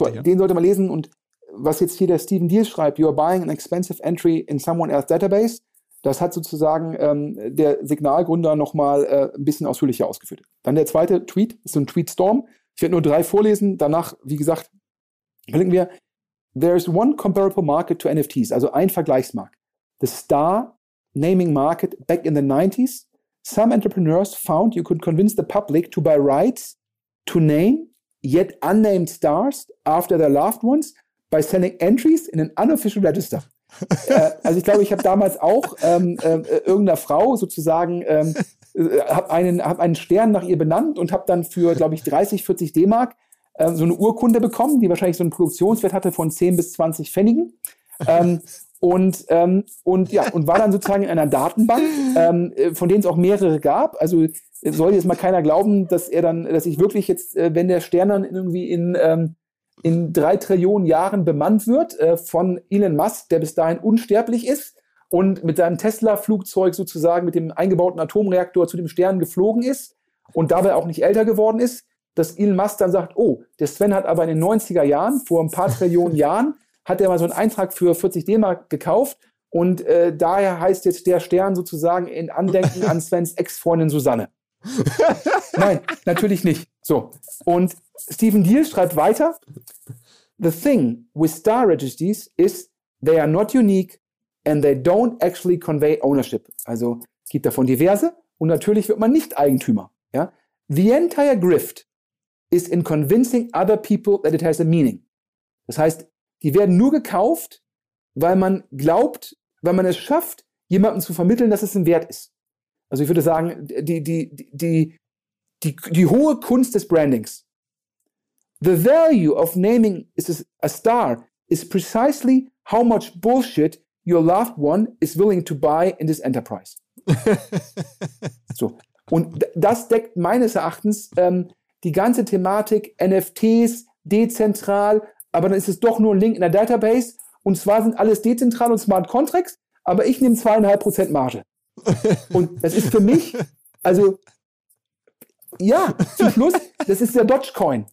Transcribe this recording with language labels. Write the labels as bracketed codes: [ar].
[de] Korrekt, ja. Den sollte man lesen und was jetzt hier der Stephen Diels schreibt, [en] you are buying an expensive entry in someone else's database, [de] das hat sozusagen der Signalgründer nochmal ein bisschen ausführlicher ausgeführt. Dann der zweite Tweet, ist so ein Tweetstorm. Ich werde nur drei vorlesen. Danach, wie gesagt, verlinken wir. [en] There is one comparable market to NFTs, [de] also ein Vergleichsmarkt. [en] The Star Naming Market back in the 90s. Some entrepreneurs found you could convince the public to buy rights to name yet unnamed stars after their loved ones by sending entries in an unofficial register. [de] Also ich glaube, ich habe damals auch irgendeiner Frau sozusagen hab einen Stern nach ihr benannt und habe dann für, glaube ich, 30, 40 D-Mark so eine Urkunde bekommen, die wahrscheinlich so einen Produktionswert hatte von 10 bis 20 Pfennigen. Und war dann sozusagen in einer Datenbank, von denen es auch mehrere gab. Also soll jetzt mal keiner glauben, dass ich wirklich jetzt, wenn der Stern dann irgendwie in 3 Trillionen Jahren bemannt wird von Elon Musk, der bis dahin unsterblich ist und mit seinem Tesla-Flugzeug sozusagen mit dem eingebauten Atomreaktor zu dem Stern geflogen ist und dabei auch nicht älter geworden ist, dass Elon Musk dann sagt, oh, der Sven hat aber in den 90er Jahren, vor ein paar Trillionen Jahren, hat er mal so einen Eintrag für 40 D-Mark gekauft und daher heißt jetzt der Stern sozusagen in Andenken an Svens Ex-Freundin Susanne. Nein, natürlich nicht. So, und Stephen Diels schreibt weiter, [en] the thing with star registries is they are not unique and they don't actually convey ownership. [de] Also, es gibt davon diverse und natürlich wird man nicht Eigentümer. Ja? [en] The entire grift is in convincing other people that it has a meaning. [de] Das heißt, die werden nur gekauft, weil man glaubt, weil man es schafft, jemandem zu vermitteln, dass es ein Wert ist. Also ich würde sagen, die hohe Kunst des Brandings. [en] The value of naming a star is precisely how much bullshit your loved one is willing to buy in this enterprise. [de] So. Und das deckt meines Erachtens die ganze Thematik NFTs, dezentral, aber dann ist es doch nur ein Link in der Database und zwar sind alles dezentral und Smart Contracts, aber ich nehme 2,5% Marge. Und das ist für mich, also ja, zum Schluss, das ist der Dogecoin.